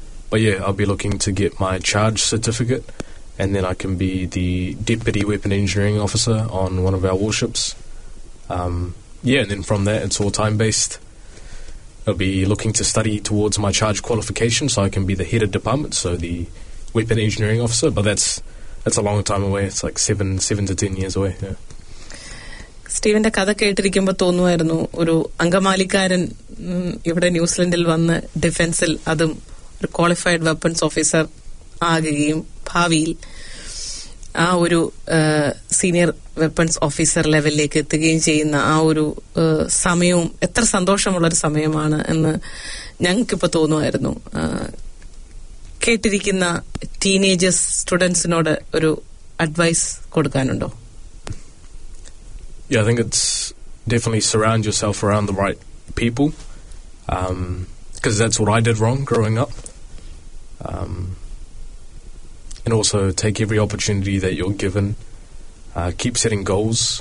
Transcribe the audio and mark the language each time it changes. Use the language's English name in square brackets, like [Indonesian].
[English] But yeah, I'll be looking to get my charge certificate, and then I can be the deputy weapon engineering officer on one of our warships. Yeah, and then from that, it's all time-based. I'll be looking to study towards my charge qualification so I can be the head of department, so the weapon engineering officer. But that's a long time away. It's like 7 to 10 years away. Yeah. [Malayalam] സ്റ്റീവിന്റെ കഥ കേട്ടിരിക്കുമ്പോൾ തോന്നുമായിരുന്നു, ഒരു അങ്കമാലിക്കാരൻ ഇവിടെ ന്യൂസിലൻഡിൽ വന്ന് ഡിഫൻസിൽ, അതും ഒരു qualified weapons officer ആകുകയും ഭാവിയിൽ ആ ഒരു സീനിയർ വെപ്പൺസ് ഓഫീസർ ലെവലിലേക്ക് എത്തുകയും ചെയ്യുന്ന ആ ഒരു സമയവും എത്ര സന്തോഷമുള്ളൊരു സമയമാണ് എന്ന് ഞങ്ങൾക്കിപ്പോൾ തോന്നുമായിരുന്നു. കേട്ടിരിക്കുന്ന ടീനേജേഴ്സ് സ്റ്റുഡൻസിനോട് ഒരു advice കൊടുക്കാനുണ്ടോ? [English] Yeah, I think it's definitely surround yourself around the right people, because that's what I did wrong growing up. And also take every opportunity that you're given. Keep setting goals.